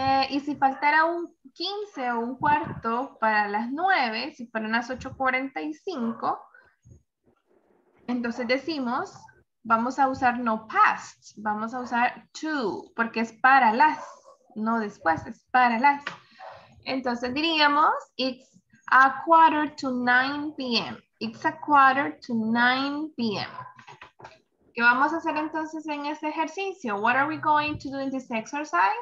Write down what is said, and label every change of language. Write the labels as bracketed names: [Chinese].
[Spanish] Y si faltara un 15 o un cuarto para las 9, si fueran las 8:45, entonces decimos, vamos a usar no past, vamos a usar to, porque es para las, no después, es para las. Entonces diríamos, [English] it's a quarter to 9 p.m. It's a quarter to 9 p.m. [Spanish] ¿Qué vamos a hacer entonces en este ejercicio? [English] What are we going to do in this exercise?